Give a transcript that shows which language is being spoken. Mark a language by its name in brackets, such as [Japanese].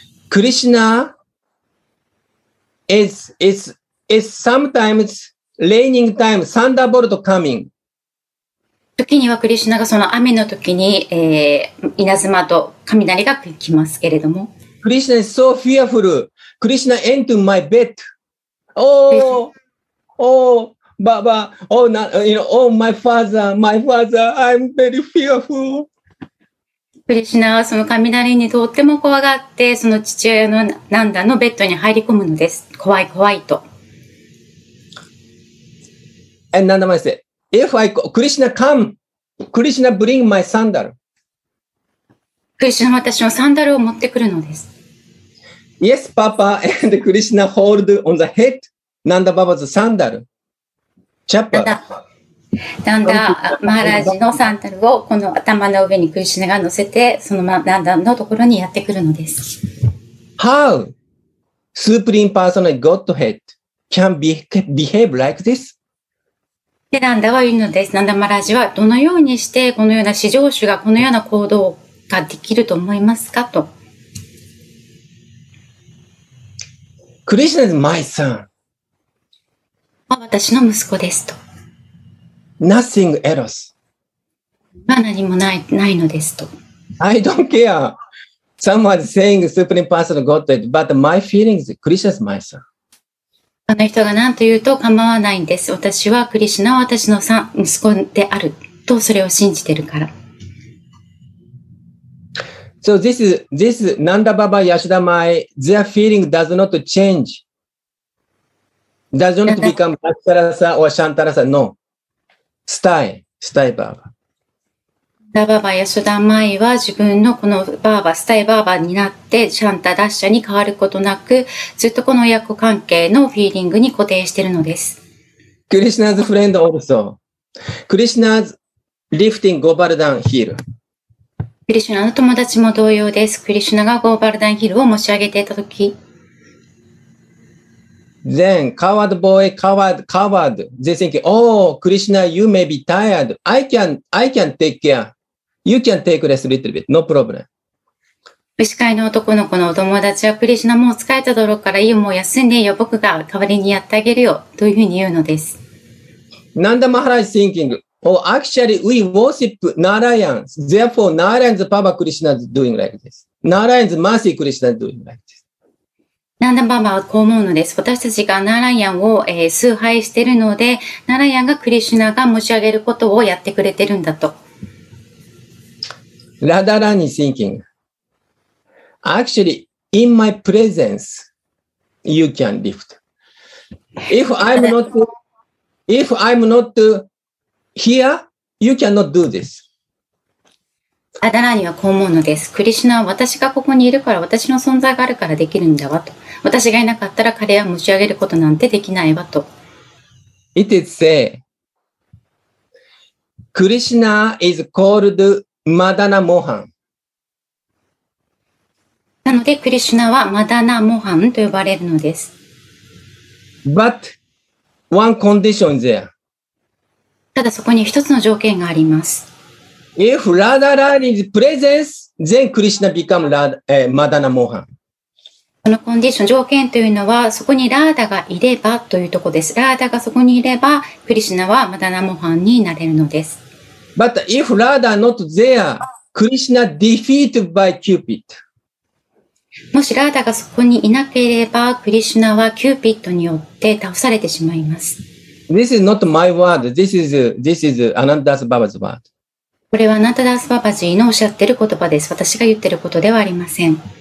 [English] Krishna is sometimes raining time, thunderbolt coming. [Japanese] 時にはクリシュナがその雨の時に、稲妻と雷が来ますけれども。 [English] クリシュナ is so fearful. クリシュナ into my bed. Oh, oh, Baba, oh, not, you know, oh, my father, I'm very fearful. [Japanese] クリシュナはその雷にとっても怖がって、その父親のナンダのベッドに入り込むのです。怖い怖いと。 [English] え、ナンダマイセ。If I go, Krishna come, Krishna bring my sandal. [Japanese] Krishna, 私のサンダルを持ってくるのです。 [English] Yes, Papa, and Krishna hold on the head, Nanda Baba's sandal. Chapa. [Japanese] Nanda Maharaj のサンダルをこの頭の上に Krishna が乗せて、そのNanda のところにやってくるのです。 [English] How Supreme Personality Godhead can behave like this? [Japanese] でナンダは言うのです。ナンダマラジはどのようにしてこのような至上主がこのような行動ができると思いますかと。 [English] クリシュナ is my son. [Japanese] 私の息子ですと。 [English] Nothing else. [Japanese] まあ何もないのですと。 [English] I don't care. Someone is saying Supreme Personality Godhead, but my feelings, Krishna is my son. [Japanese] あの人が何と言うと構わないんです。私はクリシュナは私の息子であるとそれを信じてるから。 [English] So this is Nanda Baba Yashoda Mai, their feeling does not change. Does not become Bhaktarasa or Shantarasa, no. Stay, stay Baba. [Japanese] ナンダババヤシダマイは自分のこのバーバスタイバーバになってシャンタダッシャに変わることなくずっとこの親子関係のフィーリングに固定しているのです。 [English] クリシナズフレンドオブソー。クリシナズリフティングゴバルダンヒール。 [Japanese] クリシナの友達も同様です。クリシナがゴバルダンヒールを持ち上げていたとき。 [English] Then, coward boy, coward, coward. They think, oh, Krishna, you may be tired. I can take care. You can take rest a little bit. No problem. [Japanese] 牛飼いの男の子のお友達は、クリシナもう疲れたところからいいよ、もう休んでいいよ、僕が代わりにやってあげるよ、というふうに言うのです。 [English] Nanda Maharaj is thinking, oh, actually, we worship Narayan. Therefore, Narayan's Baba Krishna is doing like this. Narayan's Mercy Krishna is doing like this. [Japanese] ナンダババはこう思うのです。私たちがナラヤンを、崇拝しているので、ナラヤンがクリシュナが持ち上げることをやってくれてるんだと。 [English] ラダラニ thinking. Actually, in my presence, you can lift. If I'm not here, you cannot do this. [Japanese] アダラーニはこう思うのです。クリシュナは私がここにいるから私の存在があるからできるんだわと。私がいなかったら彼は持ち上げることなんてできないわと。 [English] It is said, Krishna is called Madana Mohan. [Japanese] なのでクリシュナはマダナモハンと呼ばれるのです。 [English] But one condition there. [Japanese] ただそこに一つの条件があります。 [English] If Radharani's presence, then Krishna become Madana Mohan. [Japanese] このコンディション、条件というのは、そこにラーダがいればというところです。ラーダがそこにいれば、クリシナはマダナモハンになれるのです。 [English] But if Radha not there, Krishna defeat by Cupid. [Japanese] もしラーダがそこにいなければ、クリシナはキューピッドによって倒されてしまいます。 [English] This is not my word. This is Anandas Baba's word. [Japanese] これはナタダスババジーのおっしゃってる言葉です。私が言ってることではありません。